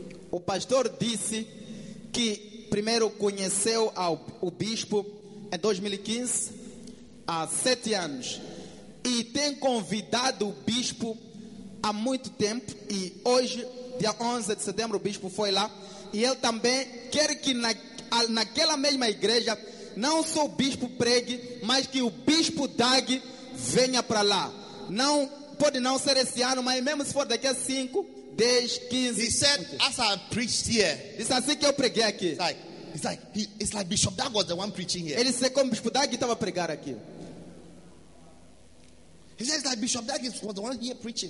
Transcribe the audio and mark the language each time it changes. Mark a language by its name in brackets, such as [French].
[Portuguese] O pastor disse que primeiro conheceu o bispo em 2015, há 7 anos, e tem convidado o bispo há muito tempo, e hoje, dia 11 de setembro, o bispo foi lá, e ele também quer que naquela mesma igreja, não só o bispo pregue, mas que o bispo Doug venha para lá. Não, pode não ser esse ano, mas mesmo se for daqui a 5, 10, 15... [English] He said, as I preached here... [Portuguese] Disse assim que eu preguei aqui. [English] It's like Bishop Doug was the one preaching here. [Portuguese] Ele disse como Bispo Doug estava a pregar aqui. [English] He says that Bishop Doug was the one here preaching.